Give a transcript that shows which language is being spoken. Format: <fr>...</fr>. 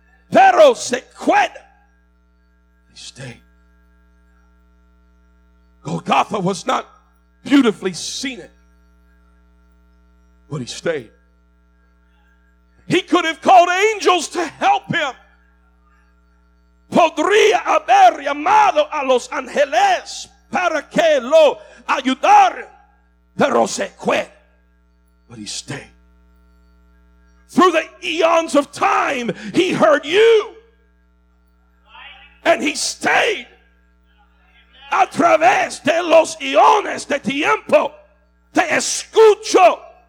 <es>Pero se quedó.</es> <en>He stayed. Golgotha was not beautifully scenic. But he stayed. He could have called angels to help him.</en> <es>Podría haber llamado a los ángeles para que lo ayudaran. Pero se fue.</es> <en>But he stayed. Through the eons of time, he heard you. And he stayed.</en> <es>A través de los eones de tiempo, te escucho.</es>